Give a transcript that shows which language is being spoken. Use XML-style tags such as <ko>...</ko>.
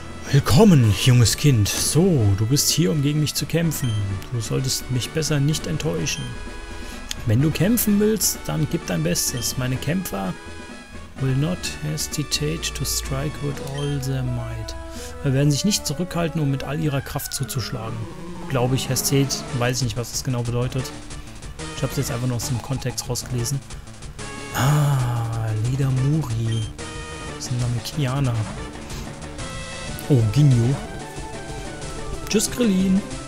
<de>Willkommen, junges Kind. So, du bist hier, um gegen mich zu kämpfen. Du solltest mich besser nicht enttäuschen. Wenn du kämpfen willst, dann gib dein Bestes. Meine Kämpfer</de> <en>will not hesitate to strike with all their might.</en> <de>Wir werden sich nicht zurückhalten, um mit all ihrer Kraft zuzuschlagen. Glaube ich, Hestet, weiß ich nicht, was das genau bedeutet. Ich habe es jetzt einfach nur aus dem Kontext rausgelesen. Ah, Leader Muri. Das ist ein Name, Kiana. Oh, Ginyu. Tschüss, Krillin.</de>